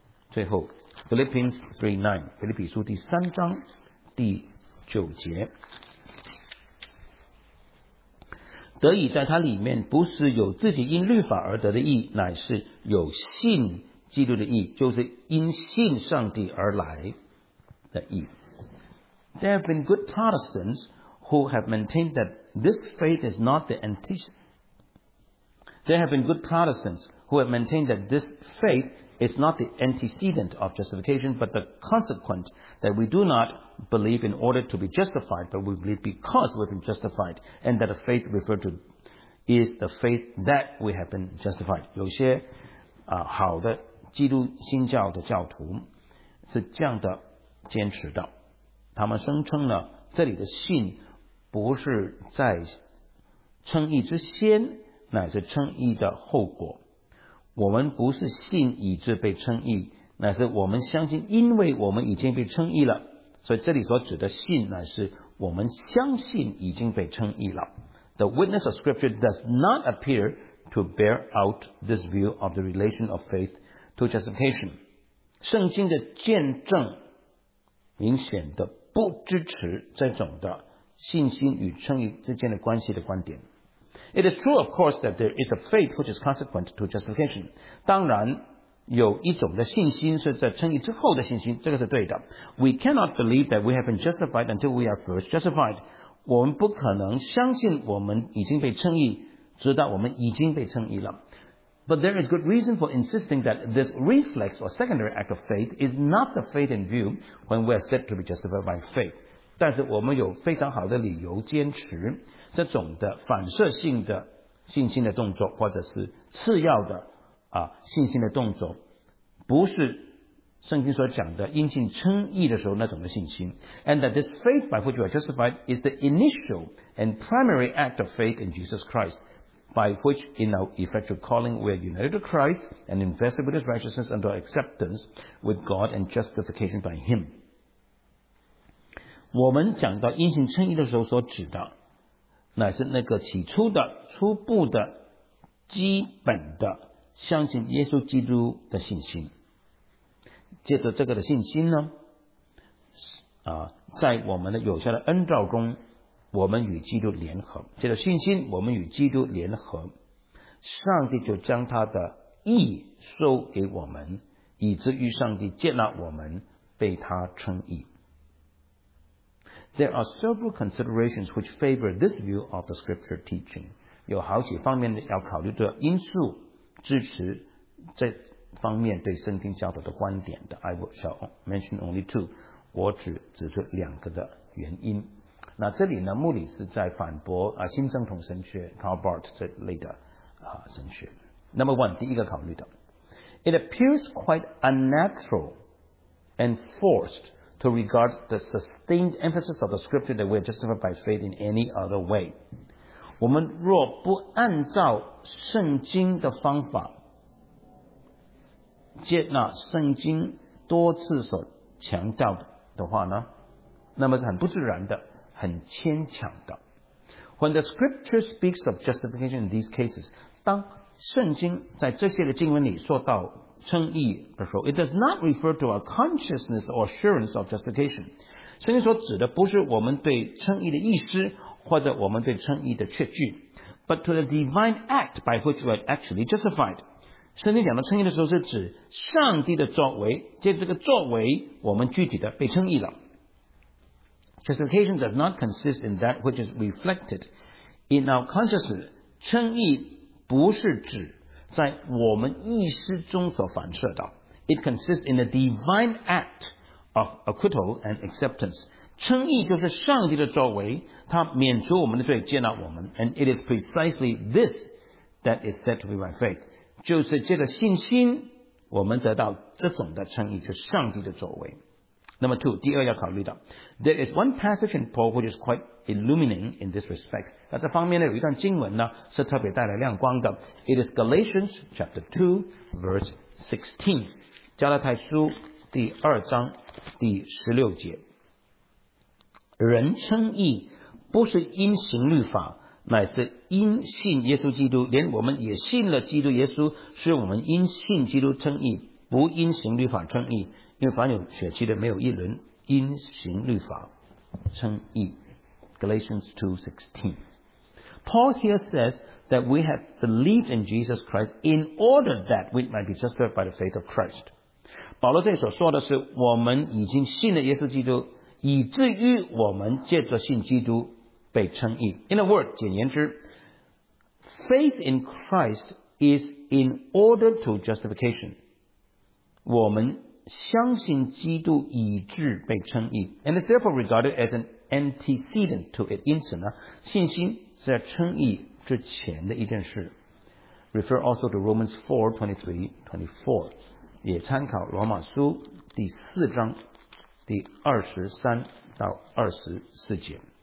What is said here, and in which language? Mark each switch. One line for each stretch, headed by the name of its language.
Chinese: 最后 Philippians 3:9， 腓立比书第三章第九节，得以在他里面，不是有自己因律法而得的义，乃是有信基督的义，就是因信上帝而来的义。
English: There have been good Protestants who have maintained thatThis faith is not the antecedent. There have been good Protestants who have maintained that this faith is not the antecedent of justification, but the consequent, that we do not believe in order to be justified, but we believe because we have been justified, and that the faith referred to is the faith that we have been justified.
Chinese: 有些好的基督新教的教徒是这样的坚持的，他们声称呢，这里的信不是在称义之先，乃是称义的后果。我们不是信以致被称义，乃是我们相信，因为我们已经被称义了。所以这里所指的信，乃是我们相信已经被称义了。
English: The witness of scripture does not appear to bear out this view of the relation of faith to justification.
Chinese: 圣经的见证明显的不支持这种的信心与称义之间的关系的观点。
English: It is true, of course, that there is a faith which is consequent to justification.
Chinese: 当然有一种的信心是在称义之后的信心，这个是对的。
English: We cannot believe that we have been justified until we are first justified.
Chinese: 我们不可能相信我们已经被称义直到我们已经被称义了。
English: But there is good reason for insisting that this reflex or secondary act of faith is not the faith in view when we are said to be justified by faith.
Chinese: 但是我们有非常好的理由坚持这种的反射性的信心的动作，或者是次要的信心的动作，不是圣经所讲的因信称义的时候那种的信心。
English: And that this faith by which we are justified is the initial and primary act of faith in Jesus Christ, by which in our effectual calling we are united to Christ and invested with his righteousness and our acceptance with God and justification by him.
Chinese: 我们讲到因信称义的时候所指的，乃是那个起初的初步的基本的相信耶稣基督的信心。借着这个的信心呢在我们的有效的恩召中，我们与基督联合，借着信心我们与基督联合，上帝就将他的义收给我们，以至于上帝接纳我们被他称义。
English: There are several considerations which favor this view of the scripture teaching.
Chinese: 有好几方面要考虑的因素支持这方面对圣经教导的观点的。
English: I shall mention only two.
Chinese: 我只指出两个的原因。那这里呢，穆里是在反驳新正统神学 Karl Barth 这类的神学。
English: Number one,
Chinese: 第一个考虑的。
English: It appears quite unnatural and forced. To regard the sustained emphasis of the scripture that we are justified by faith in any other way.
Chinese: 我们若不按照圣经的方法接纳圣经多次所强调的话呢，那么是很不自然的，很牵强的。
English: When the scripture speaks of justification in these cases,
Chinese: 当圣经在这些的经文里说到称义的时候，
English: it does not refer to a consciousness or assurance of justification.
Chinese: 圣经所指的不是我们对称义的意思，或者我们对称义的确据，
English: but to the divine act by which we are actually justified.
Chinese: 圣经讲到称义的时候是指上帝的作为，借这个作为我们具体的被称义了。
English: Justification does not consist in that which is reflected in our consciousness.
Chinese: 称义不是指在我们意识中所反射的。
English: It consists in the divine act of acquittal and acceptance.
Chinese: 称义就是上帝的作为，他免除我们的罪，接纳我们。
English: And it is precisely this that is said to be by faith.
Chinese: 就是借着信心，我们得到这种的称义，就是上帝的作为。
English: Number two,
Chinese: 第二要考虑的。
English: There is one passage in Paul which is quite illuminating in this respect.
Chinese: 那这方面呢，有一段经文呢，是特别带来亮光的。
English: It is Galatians chapter 2, verse 16.
Chinese: 加拉太书第二章第十六节。人称义不是因行律法，乃是因信耶稣基督。连我们也信了基督耶稣，是我们因信基督称义，不因行律法称义。因为凡有血气的没有一人因行律法称义。
English: Galatians 2:16. Paul here says that we have believed in Jesus Christ in order that we might be justified by the faith of Christ.
Chinese: 保罗这里所说的是我们已经信了耶稣基督，以至于我们借着信基督被称义。
English: In a word,
Chinese: 简言之，
English: faith in Christ is in order to justification.
Chinese: 我们相信基督以致被称义，
English: and is therefore regarded as an antecedent to it.
Chinese: 因此呢，信心是在称义之前的一件事。
English: Refer also to Romans 4:23-24，
Chinese: 也参考罗马书第四章第二十三到二十四节。